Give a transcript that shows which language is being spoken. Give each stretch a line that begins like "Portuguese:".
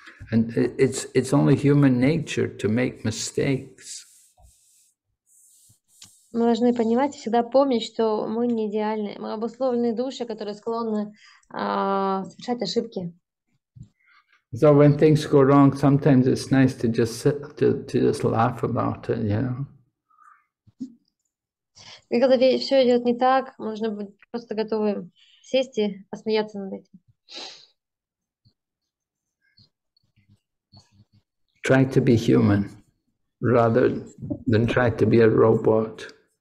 English: And it's only human nature to make mistakes.
Russian: Мы должны понимать и всегда помнить, что мы не идеальны. Мы обусловленные души, которые склонны совершать ошибки.
English: So when things go wrong, sometimes it's nice to just sit, to just laugh about it, you know.
Russian: И когда все идет не так, нужно быть просто готовым сесть и посмеяться над этим.
English: Try to be human rather than try to be a robot.